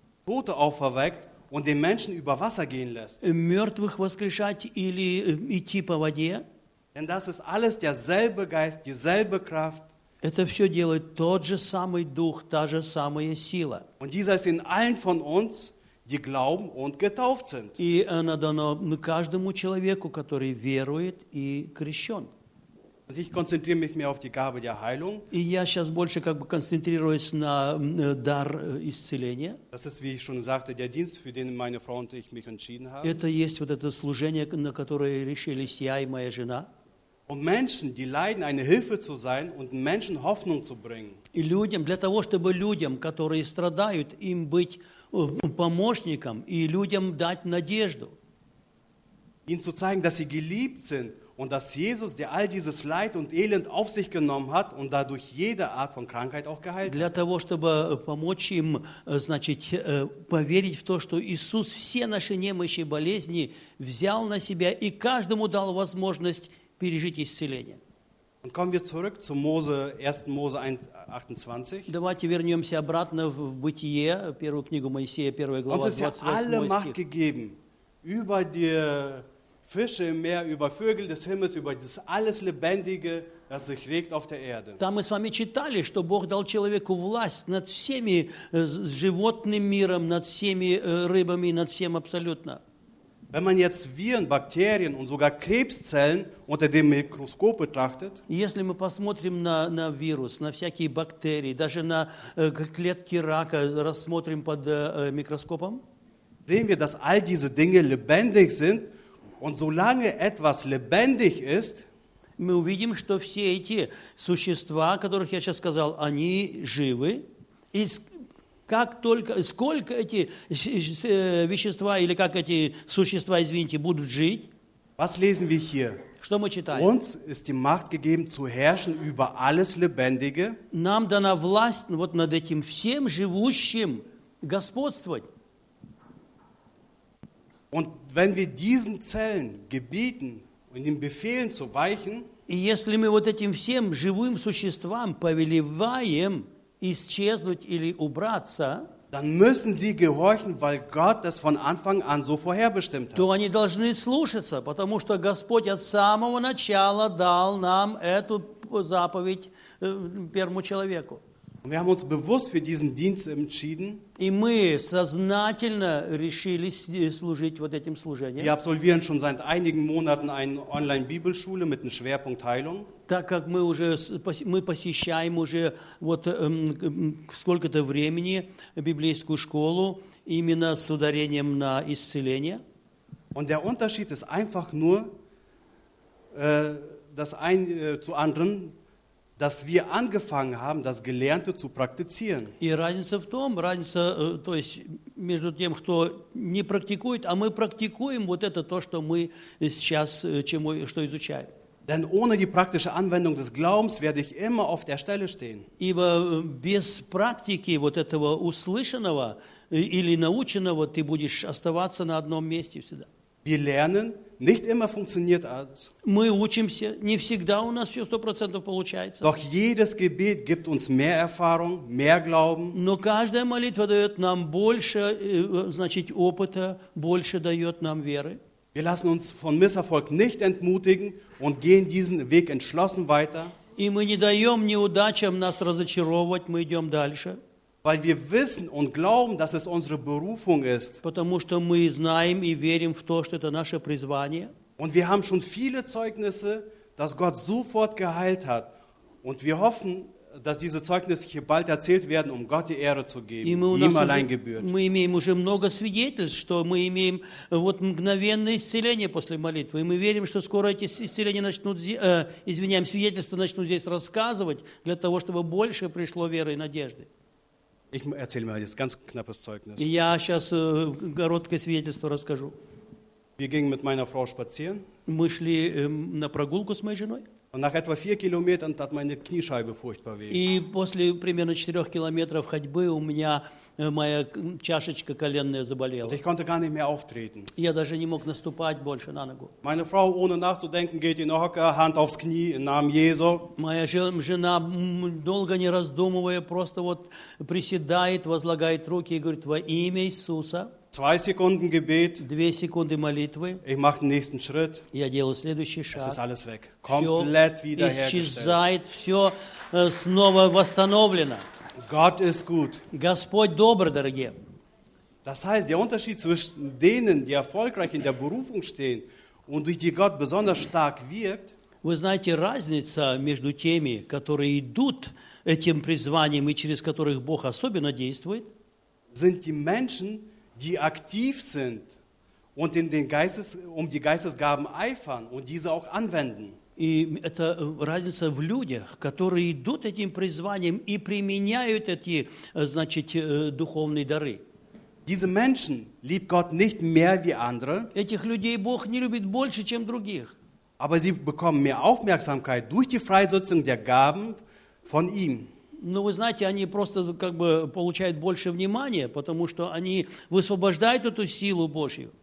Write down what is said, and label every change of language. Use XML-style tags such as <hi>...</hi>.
<de>Tote auferweckt und den Menschen über Wasser gehen lässt.</de> <ru>Мертвых воскрешать или идти по воде.</ru> <de>Denn das ist alles derselbe Geist, dieselbe Kraft.</de> <ru>Это все делает тот же самый дух, та же самая сила.</ru> <de>Und dieser ist in allen von uns, die glauben und getauft sind.</de> <ru>И она дана каждому человеку, который верует и крещен.</ru> <de>Und ich konzentriere mich mehr auf die Gabe der Heilung.</de> <ru>И я сейчас больше как бы концентрируюсь на дар исцеления.</ru> <de>Das ist, wie ich schon sagte, der Dienst, für den meine Frau und ich mich entschieden haben.</de> <ru>Это есть вот это служение, на которое решились я и моя жена.</ru> <de>Um Menschen, die leiden, eine Hilfe zu sein und Menschen Hoffnung zu bringen.</de> <ru>И людям, для того, чтобы людям, которые страдают, им быть помощником и людям дать надежду.</ru> <de>Ihnen zu zeigen, dass sie geliebt sind. Und dass Jesus, der all dieses Leid und Elend auf sich genommen hat und дадurch jede Art von Krankheit auch geheilt hat.</de> <ru>Для того, чтобы помочь им, значит, поверить в то, что Иисус все наши немощи и болезни взял на себя и каждому дал возможность пережить исцеление.</ru> <de>Und kommen wir zurück zu Mose, 1. Mose 28.</de> <ru>Давайте вернемся обратно в Бытие, первую книгу Моисея, первая глава, 28 стих.</ru> <de>Uns ist ja alle Macht gegeben über die Fische im Meer, über Vögel des Himmels, über das alles Lebendige, das sich regt auf der Erde.</de> <ru>Da мы с вами читали, что Бог дал человеку власть над всеми животным миром, над всеми рыбами, над всем абсолютно.</ru> <de>Wenn man jetzt Viren, Bakterien und sogar Krebszellen unter dem Mikroskop betrachtet,</de> <ru>если мы посмотрим на вирус, на всякие бактерии, даже на клетки рака рассмотрим под микроскопом,</ru> <de>sehen wir, dass all diese Dinge lebendig sind. Und solange etwas lebendig ist,</de> <ru>мы увидим, что все эти существа, о которых я сейчас сказал, они живы. И как только, сколько эти вещества или как эти существа, извините, будут жить?</ru> <de>Was lesen wir hier?</de> <ru>Что мы читаем?</ru> <de>Uns ist die Macht gegeben zu herrschen über alles Lebendige.</de> <ru>Нам дана власть вот над этим всем живущим господствовать.</ru> <de>Und wenn wir diesen Zellen gebieten und ihnen befehlen zu weichen,</de> <ru>и если мы вот этим всем живым существам повелеваем исчезнуть или убраться,</ru> <de>dann müssen sie gehorchen, weil Gott das von Anfang an so vorherbestimmt hat.</de> <ru>То они должны слушаться, потому что Господь от самого начала дал нам эту заповедь первому человеку.</ru> <de>Wir haben uns bewusst für diesen Dienst entschieden.</de> <ru>И мы сознательно решили служить вот этим служением.</ru> <de>Wir absolvieren schon seit einigen Monaten eine Online-Bibelschule mit einem Schwerpunkt Heilung.</de> <ru>Так как мы уже мы посещаем уже вот сколько-то времени библейскую школу именно с ударением на исцеление.</ru> <de>Und der Unterschied ist einfach nur, dass ein zu anderen, dass wir angefangen haben, das Gelernte zu praktizieren.</de> <ru>И разница в том, разница, то есть между тем, кто не практикует, а мы практикуем вот это то, что мы сейчас чему что изучаем.</ru> <de>Denn ohne die praktische Anwendung des Glaubens werde ich immer auf der Stelle stehen.</de> <ru>Ибо без практики вот этого услышанного или наученного ты будешь оставаться на одном месте всегда.</ru> <de>Wir lernen, nicht immer funktioniert alles.</de> <ru>Мы учимся, не всегда у нас все 100% получается.</ru> <de>Doch jedes Gebet gibt uns mehr Erfahrung, mehr Glauben.</de> <ru>Но каждая молитва дает нам больше, значит, опыта, больше дает нам веры.</ru> <de>Wir lassen uns von Misserfolg nicht entmutigen und gehen diesen Weg entschlossen weiter.</de> <ru>И мы не даем неудачам нас разочаровывать, мы идем дальше.</ru> <de>Weil wir wissen und glauben, dass es unsere Berufung ist.</de> <ru>Потому что мы знаем и верим в то, что это наше призвание.</ru> <de>Und wir haben schon viele Zeugnisse, dass Gott sofort geheilt hat. Und wir hoffen, dass diese Zeugnisse hier bald erzählt werden, um Gott die Ehre zu geben, die ihm allein gebührt.</de> <ru>Мы имеем уже много свидетельств, что мы имеем вот мгновенное исцеление после молитвы. И мы верим, что скоро эти исцеления начнут, извиняемся, свидетельства начнут здесь рассказывать, для того, чтобы больше пришло веры и надежды.</ru> <de>Ich erzähle mal jetzt ganz knappes Zeugnis.</de> <ru>Я сейчас короткое свидетельство расскажу.</ru> <de>Wir gingen mit meiner Frau spazieren.</de> <ru>Мы шли на прогулку с моей женой.</ru> <de>Und nach etwa 4 Kilometern tat meine Kniescheibe furchtbar weh.</de> <ru>И после примерно 4 километров ходьбы у меня моя чашечка коленная заболела.</ru> <de>Und ich konnte gar nicht mehr auftreten.</de> <ru>Я даже не мог наступать больше на ногу.</ru> <de>Meine Frau, ohne nachzudenken, geht in Hocker, Hand aufs Knie, im Namen Jesu.</de> <ru>Моя жена, долго не раздумывая, просто вот приседает, возлагает руки и говорит, во имя Иисуса.</ru> <de>2 Sekunden Gebet. 2 Sekunden</de> <ru>молитвы.</ru> <de>Ich mache den nächsten Schritt.</de> <ru>Я делаю следующий шаг.</ru> <de>Es ist alles weg. Komplett wiederhergestellt.</de> <ru>Исчезает, все снова восстановлено.</ru> <de>Gott ist gut.</de> <ru>Господь добр, дорогие.</ru> <de>Das heißt, der Unterschied zwischen denen, die erfolgreich in der Berufung stehen und durch die Gott besonders stark wirkt.</de> <ru>Вы знаете, разница между теми, которые идут этим призванием и через которых Бог особенно действует.</ru> <de>Sind die Menschen, die aktiv sind und in den Geistes, um die Geistesgaben eifern und diese auch anwenden.</de> <ru>И это разница в людях, которые идут этим призванием и применяют эти, значит, духовные дары.</ru> <de>Diese Menschen liebt Gott nicht mehr wie andere.</de> <ru>Этих людей Бог не любит больше, чем других.</ru> <de>Aber sie bekommen mehr Aufmerksamkeit durch die Freisetzung der Gaben von ihm.</de> <ru>Ну, вы знаете, они просто как бы получают больше внимания, потому что они высвобождают эту силу Божью.</ru>